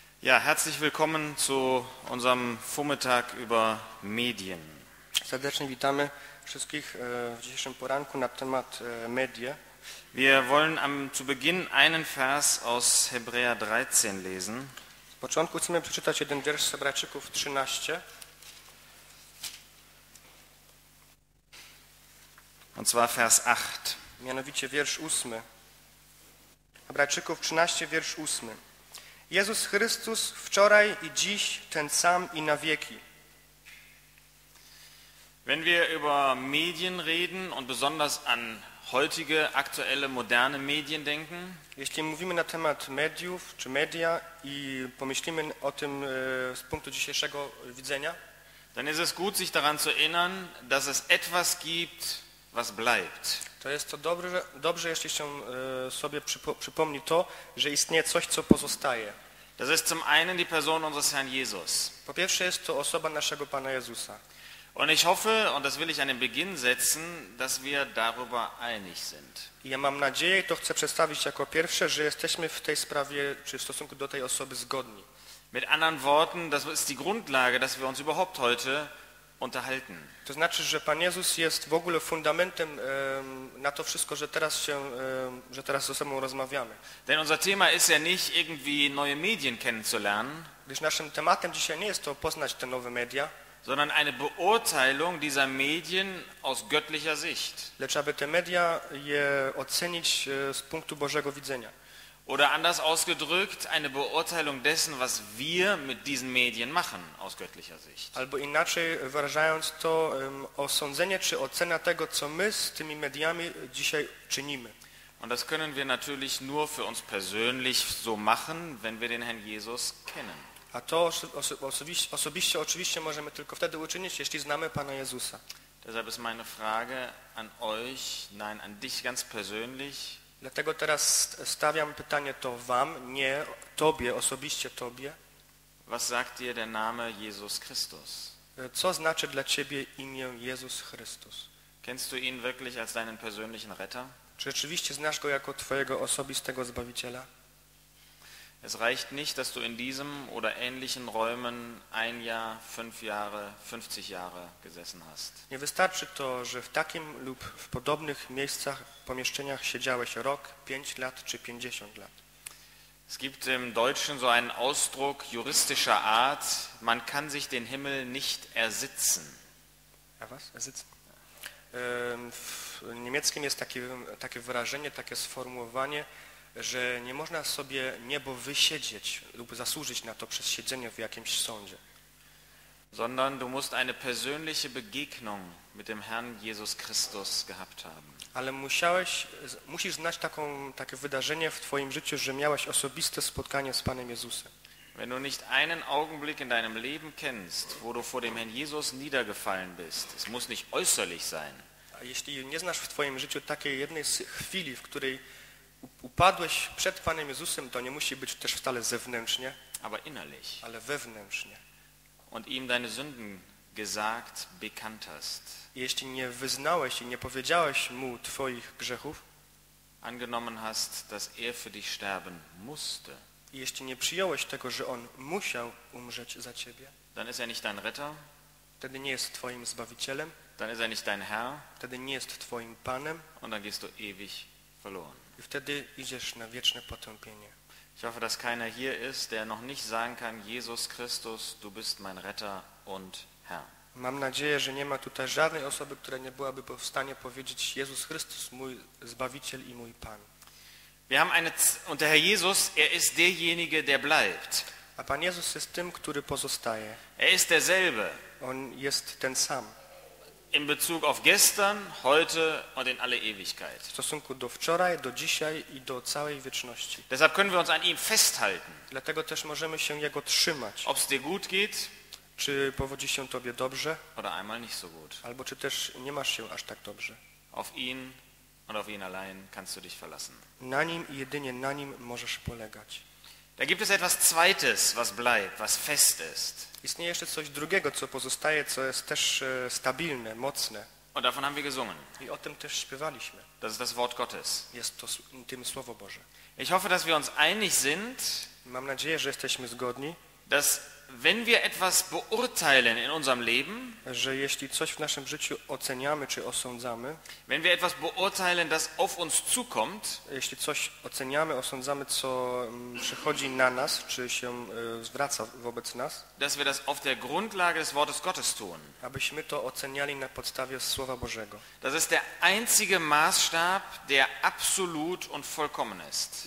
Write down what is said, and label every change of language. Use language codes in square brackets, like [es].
[de] Ja, herzlich willkommen zu unserem Vormittag über Medien. [pl] Serdecznie witamy wszystkich w dzisiejszym poranku na temat media. [de] Wir wollen zu Beginn einen Vers aus Hebräer 13 lesen. [pl] Z początku chcemy przeczytać jeden wiersz z Hebrajczyków 13. [de] Und zwar Vers 8. [pl] Mianowicie wiersz 8. Hebrajczyków 13, wiersz 8. Jezus Chrystus wczoraj i dziś ten sam i na wieki. [de] Wenn wir über Medien reden und besonders an heutige, aktuelle, moderne Medien denken, [pl] jeśli mówimy na temat mediów czy media i pomyślimy o tym z punktu dzisiejszego widzenia, [de] dann ist es gut, sich daran zu erinnern, dass es etwas gibt, was bleibt. [pl] To jest to dobrze, jeśli się sobie przypomni to, że istnieje coś, co pozostaje. [de] Das ist zum einen die Person unseres Herrn Jesus. [pl] Po pierwsze jest to osoba naszego Pana Jezusa. [de] Und ich hoffe, und das will ich an den Beginn setzen, dass wir darüber einig sind. [pl] Ja mam nadzieję, to chcę przedstawić jako pierwsze, że jesteśmy w tej sprawie, czy w stosunku do tej osoby zgodni. [de] Mit anderen Worten, das ist die Grundlage, dass wir uns überhaupt heute unterhalten. [pl] To znaczy, że Pan Jezus jest w ogóle fundamentem na to wszystko, że teraz się, że teraz ze sobą rozmawiamy. [de] Denn unser Thema ist ja nicht irgendwie neue Medien kennenzulernen. [pl] Gdyż naszym tematem dzisiaj nie jest to poznać te nowe media, [de] sondern eine Beurteilung dieser Medien aus göttlicher Sicht. [pl] Lecz aby te media je ocenić z punktu Bożego widzenia. [de] Oder anders ausgedrückt, eine Beurteilung dessen, was wir mit diesen Medien machen, aus göttlicher Sicht. [pl] Albo inaczej wyrażając to, osądzenie czy ocena tego, co my z tymi mediami dzisiaj czynimy. [de] Und das können wir natürlich nur für uns persönlich so machen, wenn wir den Herrn Jesus kennen. [pl] A to osobiście oczywiście możemy tylko wtedy uczynić, jeśli znamy Pana Jezusa. [de] Deshalb ist meine Frage an euch, nein, an dich ganz persönlich. [pl] Dlatego teraz stawiam pytanie to wam, nie tobie, osobiście tobie. [de] Was sagt dir der Name Jesus Christus? [pl] Co znaczy dla ciebie imię Jezus Chrystus? [de] Kennst du ihn wirklich als deinen persönlichen Retter? [pl] Czy rzeczywiście znasz go jako twojego osobistego Zbawiciela? [de] Es reicht nicht, dass du in diesem oder ähnlichen Räumen ein Jahr, fünf Jahre, 50 Jahre gesessen hast. [pl] Nie wystarczy to, że w takim lub w podobnych miejscach, pomieszczeniach siedziałeś rok, 5 lat czy 50 lat. [de] Es gibt im Deutschen so einen Ausdruck juristischer Art, man kann sich den Himmel nicht ersitzen. A was? Ersitzen? [pl] W niemieckim jest takie wyrażenie, takie sformułowanie, że nie można sobie niebo wysiedzieć lub zasłużyć na to przez siedzenie w jakimś sądzie. [de] Sondern du musst eine persönliche Begegnung mit dem Herrn Jesus Christus gehabt haben. [pl] Ale musisz znać takie wydarzenie w twoim życiu, że miałeś osobiste spotkanie z Panem Jezusem. [de] Wenn du nicht einen Augenblick in deinem Leben kennst, wo du vor dem Herrn Jesus niedergefallen bist, es muss nicht äußerlich sein. [pl] A jeśli nie znasz w twoim życiu takiej jednej chwili, w której upadłeś przed Panem Jezusem, to nie musi być też wcale zewnętrznie, [de] aber innerlich, [pl] ale wewnętrznie. [de] Und ihm deine Sünden gesagt, bekannt hast. [pl] Jeśli nie wyznałeś i nie powiedziałeś mu twoich grzechów, [de] angenommen hast, dass er für dich sterben musste. [pl] Jeśli nie przyjąłeś tego, że on musiał umrzeć za ciebie, [de] dann ist er nicht dein Retter. [pl] Wtedy nie jest twoim zbawicielem. [de] Dann ist er nicht dein Herr. [pl] Wtedy nie jest twoim panem. [de] Und dann gehst du ewig verloren. [pl] I wtedy idziesz na wieczne potępienie. [de] Ich hoffe, dass keiner hier ist, der noch nicht sagen kann: Jesus Christus, du bist mein Retter und Herr. [pl] Mam nadzieję, że nie ma tutaj żadnej osoby, która nie byłaby w stanie powiedzieć: Jezus Chrystus, mój Zbawiciel i mój Pan. [de] Wir haben eine und der Herr Jesus, er ist derjenige, der bleibt. [pl] A Pan Jezus jest tym, który pozostaje. [de] Er ist derselbe. [pl] On jest ten sam. [de] In Bezug auf gestern, heute und in alle Ewigkeit. [pl] W stosunku do wczoraj, do dzisiaj i do całej wieczności. [de] Deshalb können wir uns an ihm festhalten. [pl] Dlatego też możemy się jego trzymać. [de] Ob es dir gut geht, [pl] czy powodzi się tobie dobrze, [de] oder einmal nicht so gut. [pl] Albo czy też nie masz się aż tak dobrze. [de] Auf ihn und auf ihn allein kannst du dich verlassen. [pl] Na nim i jedynie na nim możesz polegać. [de] Da gibt es etwas Zweites, was bleibt, was fest ist. [pl] Istnieje jeszcze coś drugiego, co pozostaje, co jest też stabilne, mocne. [de] Und davon haben wir gesungen. [pl] I o tym też śpiewaliśmy. [de] Das ist das Wort Gottes. [pl] Jest to tym Słowo Boże. [de] Ich hoffe, dass wir uns einig sind. [pl] Mam nadzieję, że jesteśmy zgodni, [de] dass wenn wir etwas beurteilen in unserem Leben, [pl] że jeśli coś w naszym życiu oceniamy czy osądzamy, [de] wenn wir etwas beurteilen, das auf uns zukommt, [pl] jeśli coś oceniamy, osądzamy, co przychodzi na nas, czy się zwraca wobec nas, [de] dass wir das auf der Grundlage des Wortes Gottes tun, [pl] abyśmy to oceniali na podstawie Słowa Bożego. [de] Das ist der einzige Maßstab, der absolut und vollkommen ist.